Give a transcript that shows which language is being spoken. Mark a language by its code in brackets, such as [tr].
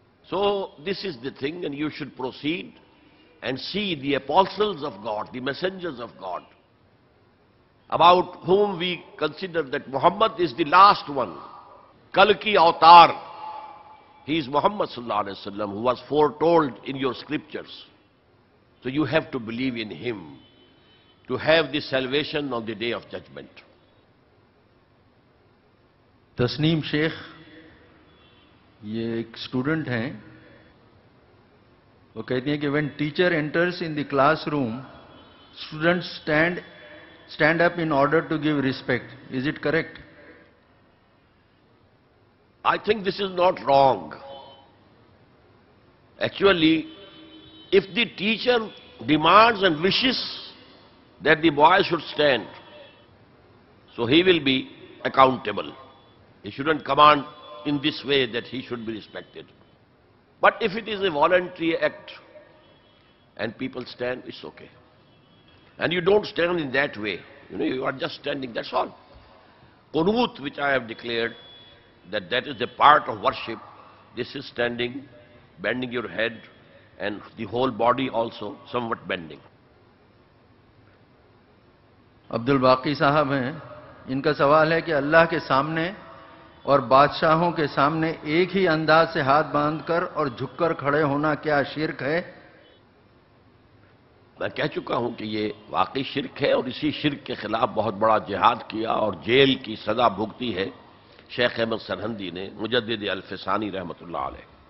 [en] So this is the thing, and you should proceed and see the apostles of God, the messengers of God, about whom we consider that Muhammad is the last one, Kalki Avatar. He is Muhammad sallallahu alaihi wasallam, who was foretold in your scriptures. So you have to believe in him to have the salvation on the day of judgment. Tasneem Sheikh, [ur] یہ ایک student ہیں، وہ کہتی ہیں کہ [en] When teacher enters in the class room students stand up in order to give respect, is it correct? I think this is not wrong. Actually if the teacher demands and wishes that the boy should stand, so he will be accountable. He shouldn't command in this way that he should be respected. But if it is a voluntary act and people stand, it's okay. And you don't stand in that way. You know, you are just standing, that's all. Qunut, which I have declared, that is a part of worship. This is standing, bending your head and the whole body also somewhat bending. [ur] Abdul Baqi sahab hain, inka sawal hai ki Allah ke samne اور بادشاہوں کے سامنے ایک ہی انداز سے ہاتھ باندھ کر اور جھک کر کھڑے ہونا کیا شرک ہے؟ میں کہہ چکا ہوں کہ یہ واقعی شرک ہے، اور اسی شرک کے خلاف بہت بڑا جہاد کیا اور جیل کی سزا بھگتی ہے شیخ احمد سرہندی نے، مجدد الف ثانی رحمۃ اللہ علیہ.